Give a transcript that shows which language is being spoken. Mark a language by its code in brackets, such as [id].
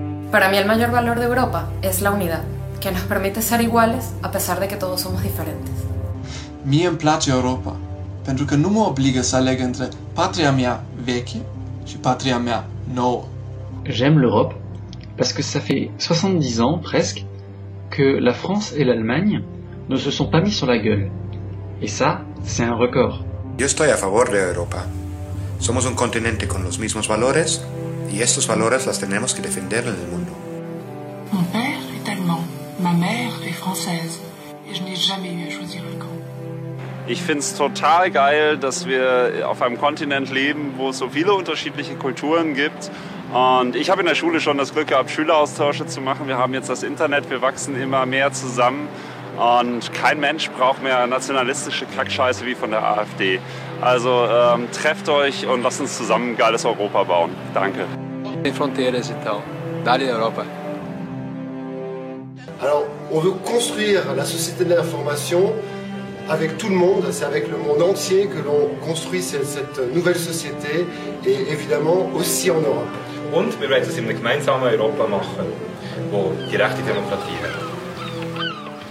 [es] Para mí el mayor valor de Europa es la unidad, que nos permite ser iguales a pesar de que todos somos diferentes. [ro] Mi îmi place Europa, pentru că nu mă obligă să aleg între patria mea veche și patria mea nouă. [fr] J'aime l'Europe parce que ça fait 70 ans presque que la France et l'Allemagne ne se sont pas mis sur la gueule. Et ça, c'est un record. [es] Yo estoy a favor de Europa. Somos un continente con los mismos valores y estos valores las tenemos que defender en el mundo. [fr] Mon père est allemand, ma mère est française et je n'ai jamais eu à choisir un camp. [de] Ich find's total geil, dass wir auf einem Kontinent leben, wo es so viele unterschiedliche Kulturen gibt. Und ich habe in der Schule schon das Glück gehabt, Schüleraustausche zu machen. Wir haben jetzt das Internet, wir wachsen immer mehr zusammen. Und kein Mensch braucht mehr nationalistische Kackscheiße wie von der AfD. Also trefft euch und lasst uns zusammen ein geiles Europa bauen. Danke. Die Frontiere sind da. Da in Europa. [fr] Alors, on veut construire la société de l'information avec tout le monde. C'est avec le monde entier que l'on construit cette nouvelle société et évidemment aussi en Europe. [de] Und wir werden es in einem gemeinsamen Europa machen, wo die rechte Demokratie hat.